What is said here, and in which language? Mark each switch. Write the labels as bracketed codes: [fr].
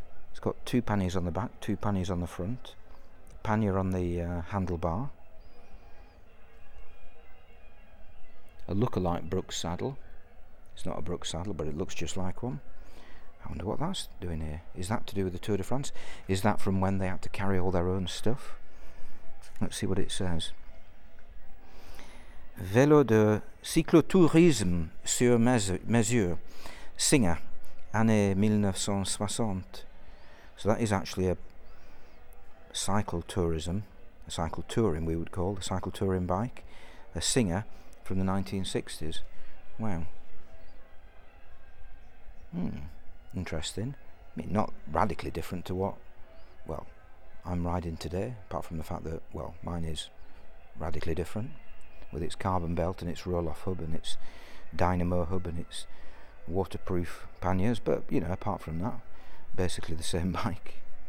[en] It's got two panniers on the back, two panniers on the front, a pannier on the handlebar, a lookalike Brooks saddle. It's not a Brooks saddle, but it looks just like one. I wonder what that's doing here. Is that to do with the Tour de France? Is that from when they had to carry all their own stuff? Let's see what it says. [fr] Vélo de cyclotourisme sur mesure. Singer, année 1960. [en] So that is actually a cycle tourism, a cycle touring we would call, the cycle touring bike, a Singer from the 1960s. Wow. Interesting. I mean, not radically different to what, well, I'm riding today, apart from the fact that, well, mine is radically different, with its carbon belt and its roll-off hub and its dynamo hub and its waterproof panniers, but, you know, apart from that, basically the same bike.